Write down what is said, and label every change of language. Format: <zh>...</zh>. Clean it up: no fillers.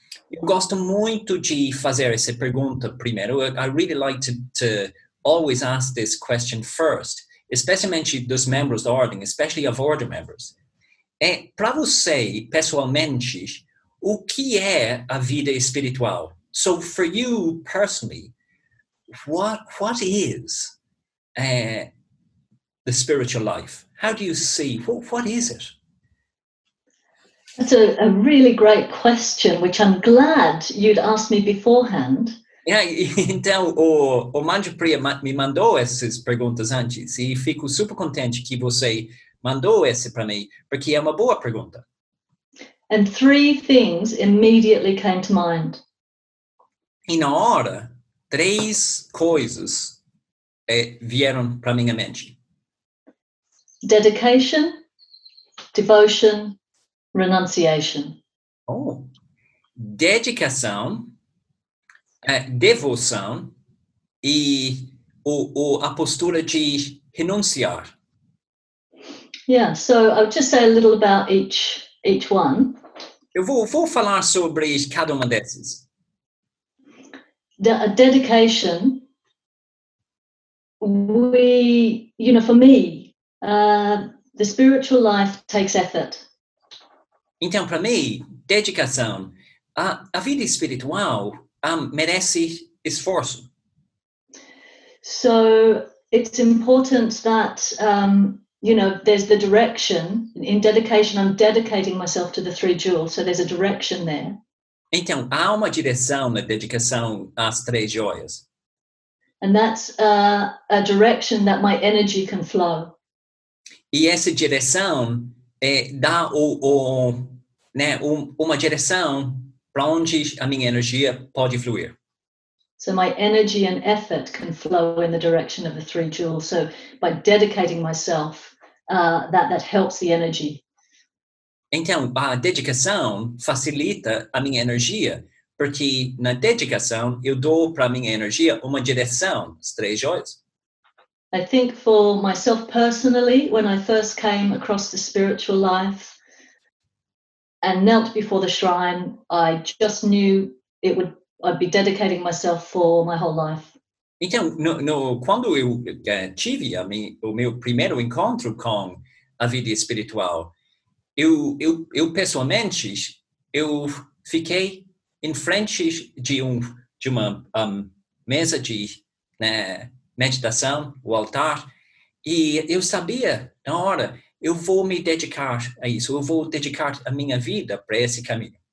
<pt>Eu gosto muito de fazer essa pergunta primeiro.</pt> <en>I really like to always ask this question first,</en> <pt>especialmente dos membros da ordem,</pt> <en>especially of order members.</en> <pt>É para você, pessoalmente, o que é a vida espiritual?</pt> <en>So for you personally, what is the spiritual life? How do you see? What is it? That's a really great question, which I'm glad you'd asked me beforehand.</en> <pt>Yeah, então o Manjo Priya me mandou essas perguntas antes e fico super contente que você mandou esse para mim, porque é uma boa pergunta.</pt> <en>And three things immediately came to mind.</en> <pt>E na hora, três coisas vieram para minha mente.</pt> <en>Dedication, devotion, renunciation.</en> <pt>Oh. Dedicação, devoção e a postura de renunciar.</pt> <en>Yeah, so I'll just say a little about each one.</en> <pt>Eu vou falar sobre cada uma dessas.</pt> <en>A dedication, we, you know, for me, the spiritual life takes effort.</en> <pt>Então, para mim, dedicação, a vida espiritual merece esforço.</pt> <en>So, it's important that, you know, there's the direction. In dedication, I'm dedicating myself to the three jewels. So, there's a direction there.</en> <pt>Então, há uma direção na dedicação às três joias.</pt> <en>And that's a direction that my energy can flow.</en> <pt>E essa direção dá uma direção para onde a minha energia pode fluir.</pt> <en>So my energy and effort can flow in the direction of the three jewels. So by dedicating myself, that helps the energy.</en> <pt>Então, a dedicação facilita a minha energia, porque na dedicação eu dou para a minha energia uma direção, as três joias.</pt> <en>I think for myself personally, when I first came across the spiritual life and knelt before the shrine, I just knew I'd be dedicating myself for my whole life.</en> <pt>Então, quando eu tive o meu primeiro encontro com a vida espiritual, eu pessoalmente, eu fiquei em frente de uma mesa de meditação, o altar, e eu sabia, na hora, eu vou me dedicar a isso, eu vou dedicar a minha vida para esse caminho.</pt>